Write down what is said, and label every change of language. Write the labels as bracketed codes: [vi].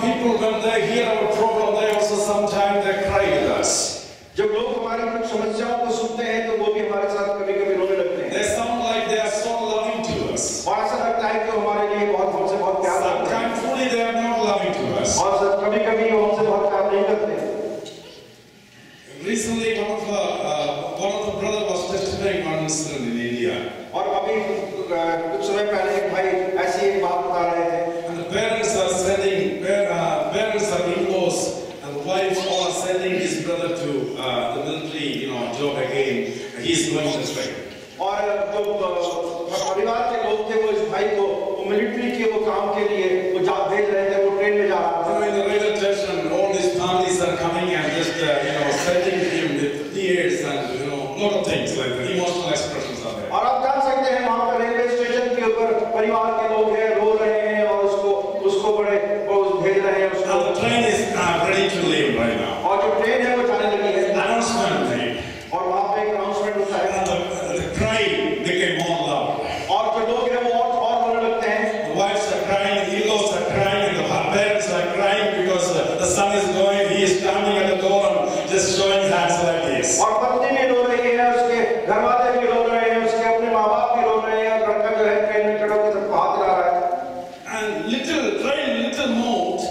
[en] people, when they hear our problem, they also sometimes they cry with us. [hi] जब लोग हमारी कुछ समस्याओं को सुनते हैं तो वो भी हमारे साथ कभी कभी रोने लगते हैं. [en] They sound like they are so loving to us. [hi] और ऐसा लगता है कि हमारे लिए बहुत हमसे बहुत प्यार करते हैं. [en] Thankfully, they are not loving to us. [hi] और सर कभी कभी वो हमसे बहुत प्यार नहीं करते. [en] Recently, one of the brother was testifying on this in India. [hi] और अभी कुछ समय पहले एक भाई ऐसी एक बात बता रहे थे. [en] And the parents are sending, parents are in-laws, and the wife are sending his brother to the military, you know, job again. He is going this way. [hi] और तो परिवार के लोग थे वो इस भाई को वो मिलिट्री के वो काम के लिए वो जा भेज रहे थे वो ट्रेन में जा रहा था. [en] In the railway station, all these families are coming and just sending him with tears and lot of things like that. Emotional expressions are there. [hi] और आप जान सकते हैं वहाँ पर रेलवे स्टेशन के ऊपर परिवार के लोग हैं रो रहे हैं और उसको उसको बड़े वो भेज रहे हैं उसको. [en] And the train is ready to leave right now. [hi] और जो ट्रेन है वो जाने लगी है. [en] Announcement made. [hi] और वहाँ पे एक अनाउंसमेंट होता है. [en] And the cry became more loud. [hi] और जो लोग हैं वो और रोने लगते हैं. [en] The wives are crying, the in-laws are crying, and the parents are crying because the son is going. He is standing at the door, just showing hands like this. [hi] और पत्नी भी रो रही है, उसके घरवाले भी रो रहे हैं, उसके अपने माँबाप भी रो रहे हैं, और लड़का जो है ट्रेन में चढ़ा के सबको हाथ हिला रहा है. [en] And little train, little moved.